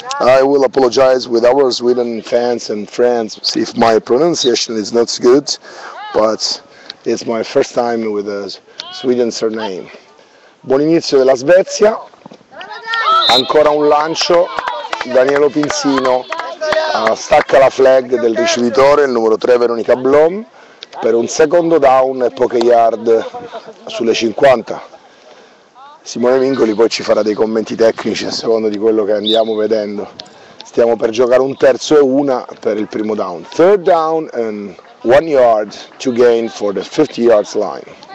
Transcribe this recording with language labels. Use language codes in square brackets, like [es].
[en] I will apologize with our Sweden fans and friends if my pronunciation is not good, but it's my first time with a Sweden surname. [it] Buon inizio della Svezia, ancora un lancio, Danilo Pinsino stacca la flag del ricevitore, il numero 3 Veronica Blom, per un secondo down e poche yard sulle 50. Simone Mingoli poi ci farà dei commenti tecnici a secondo di quello che andiamo vedendo. Stiamo per giocare un terzo e una per il primo down. [en] Third down and 1 yard to gain for the 50 yards line.